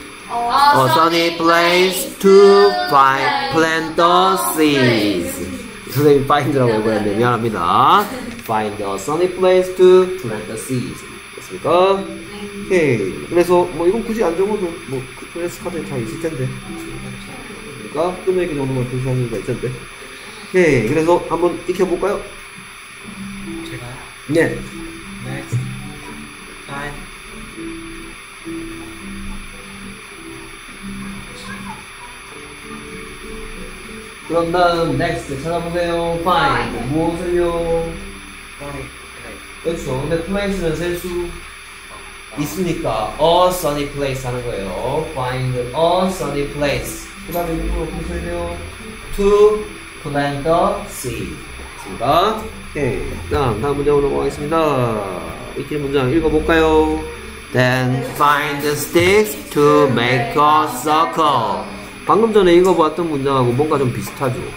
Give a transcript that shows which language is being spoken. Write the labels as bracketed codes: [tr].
[en] A sunny place to find plant the seeds. [ko] 선생님 find라고 해버렸는데 미안합니다. [en] Find a sunny place to plant the seeds. [ko] 됐습니까? 오케이. 그래서 뭐 이건 굳이 안 적어도 뭐 클래스 카드에 다 있을 텐데. 그러니까 끝내기 정도만 표시하는 게 있을 텐데. 오케이. 그래서 한번 익혀볼까요? 제가요? 네. [en] Next. Fine. [ko] 그럼 다음 next 찾아보세요. [en] Fine. [ko] 무엇을요? [en] Fine. [ko] 그렇죠. 근데 플레이스는 셀 수 있으니까 [en] a sunny place [ko] 하는 거예요. [en] Find a sunny place. [ko] 그 다음에 이거 보세요. [en] To plant the seed. [ko] 됐습니다. 오케이. 다음 문장으로 넘어가겠습니다. 익힌 문장 읽어볼까요? [en] Then find the sticks to make a circle. [ko] 방금 전에 읽어봤던 문장하고 뭔가 좀 비슷하죠?